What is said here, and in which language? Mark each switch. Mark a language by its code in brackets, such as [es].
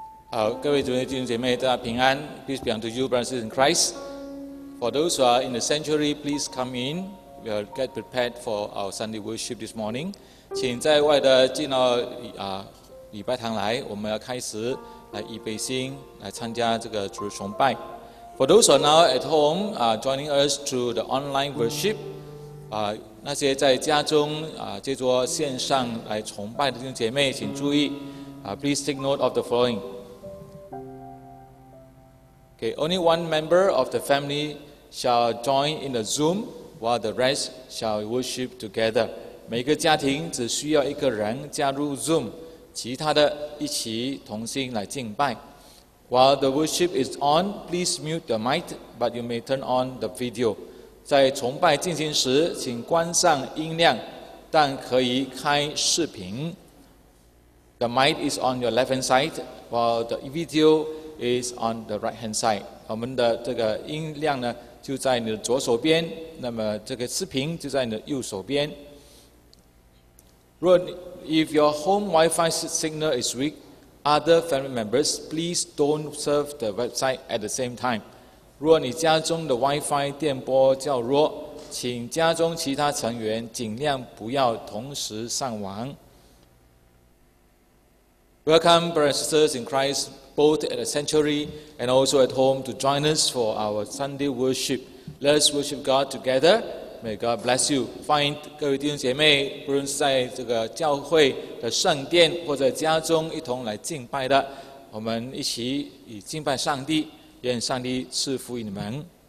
[zh] 好，各位主内弟兄姐妹，大家平安。 [en] Peace be unto you, brothers in Christ. For those who are in the sanctuary, please come in. We will get prepared for our Sunday worship this morning. [zh] 请在外的进到礼拜堂来，我们要开始来预备心，来参加这个主日崇拜。 [en] For those who are now at home, joining us through the online worship, [zh] 那些在家中借助线上来崇拜的弟兄姐妹，请注意 [en] please take note of the following. Okay, only one member of the family shall join in the Zoom while the rest shall worship together. [zh] 每个家庭只需要一个人加入 Zoom, 其他的一起同心来敬拜。 [en] While the worship is on, please mute the mic, but you may turn on the video. [zh] 在崇拜进行时请关上音量但可以开视频。 [en] The mic is on your left hand side, while the videoIs on the right hand side. [zh] 我们的这个音量呢，就在你的左手边。那么这个视频就在你的右手边。 [en] 若 if your home Wi-Fi signal is weak, other family members please don't surf the website at the same time. [zh] 若你家中的 Wi-Fi 电波较弱，请家中其他成员尽量不要同时上网。 [en] Welcome, brothers and sisters in Christ. Both at the sanctuary and also at home to join us for our Sunday worship. Let us worship God together. May God bless you. [zh] 欢迎各位弟兄姐妹，不论是在这个教会的圣殿或者家中一同来敬拜的，我们一起以敬拜上帝，愿上帝赐福于你们。